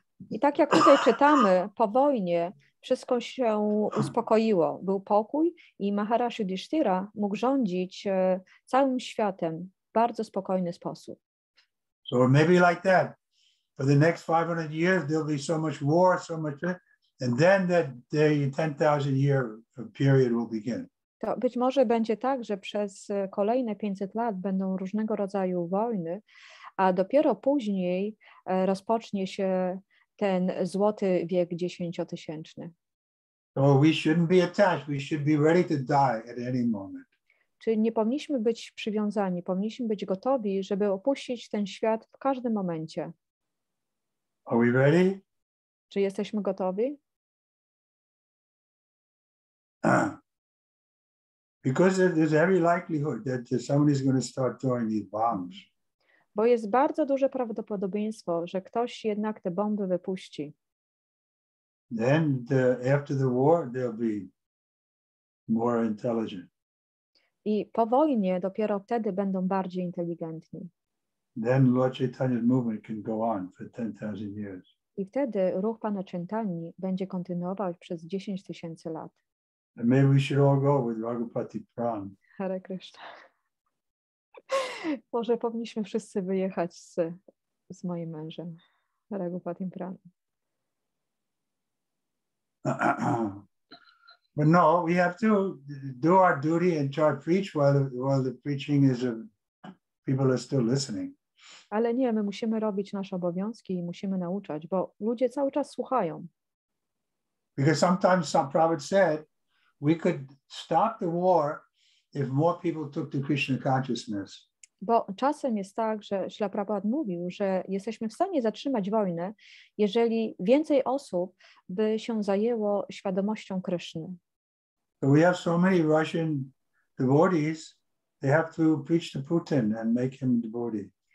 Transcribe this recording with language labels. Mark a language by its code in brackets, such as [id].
[pl] I tak jak tutaj czytamy, po wojnie wszystko się uspokoiło. Był pokój i Maharaj Yudhisthira mógł rządzić całym światem w bardzo spokojny sposób. [en] So maybe like that. For the next 500 years there'll be so much war, so much, and then that the 10,000 year period will begin. [pl] To być może będzie tak, że przez kolejne 500 lat będą różnego rodzaju wojny, a dopiero później rozpocznie się ten złoty wiek dziesięciotysięczny. [en] So we shouldn't be attached. We should be ready to die at any moment. [pl] Czyli nie powinniśmy być przywiązani. Powinniśmy być gotowi, żeby opuścić ten świat w każdym momencie. [en] Are we ready? [pl] Czy jesteśmy gotowi? [en] Because there's every likelihood that somebody is going to start throwing these bombs. [pl] Bo jest bardzo duże prawdopodobieństwo, że ktoś jednak te bomby wypuści. [en] Then the, after the war they'll be more intelligent. [pl] I po wojnie dopiero wtedy będą bardziej inteligentni. [en] Then Lord Chaitanya's movement can go on for 10,000 years. [pl] I wtedy ruch Pana Chaitanyi będzie kontynuował przez 10 tysięcy lat. [en] And maybe we should all go with Raghupati Pran. Hare Krishna. [pl] Może powinniśmy wszyscy wyjechać z moim mężem, Raghupati Pran. [en] But no, we have to do our duty and try to preach while the preaching is of people are still listening. [pl] Ale nie, my musimy robić nasze obowiązki i musimy nauczać, bo ludzie cały czas słuchają. [en] Because sometimes some prophet said we could stop the war if more people took to Krishna consciousness. [pl] Bo czasem jest tak, że Śla Prabhupada mówił, że jesteśmy w stanie zatrzymać wojnę, jeżeli więcej osób by się zajęło świadomością Kryszny. [en] We have so many Russian devotees, they have to preach to Putin and make him devotee.